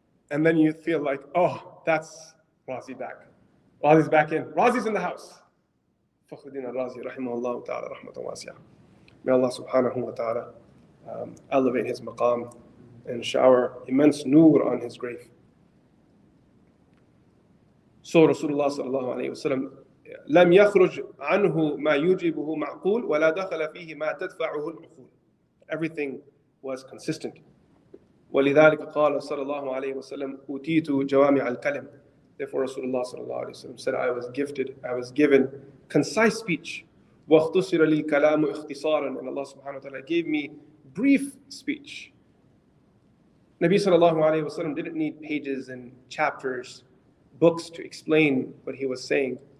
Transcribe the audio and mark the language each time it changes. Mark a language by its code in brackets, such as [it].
[en] And then you feel like, oh, that's Razi back. Razi's back in. Razi's in the house. Fakhruddin al-Razi, rahimahullah ta'ala, rahmatan wasi'ah. May Allah subhanahu wa ta'ala elevate his maqam and shower immense nur on his grave. [ar] So Rasulullah sallallahu alayhi wa sallam, لَمْ يَخْرُجْ عَنْهُ مَا يُجِبُهُ مَعْقُولُ وَلَا دَخَلَ فِيهِ مَا تَدْفَعُهُ الْعُقُولُ. [en] Everything was consistent. [ar] وَلِذَلِكَ قَالَ sallallahu alayhi wa sallam, أُوتِيتُ جَوَامِعَ الْكَلِمِ. [en] Therefore Rasulullah sallallahu alayhi wa sallam said, I was given concise speech. [ar] وَاخْتُصِرَ لِي كَلَامُ اِخْتِصَارًا. [en] And Allah subhanahu wa ta'ala gave me brief speech. Nabi sallallahu alayhi wa sallam didn't need pages and chapters, books to explain what he was saying.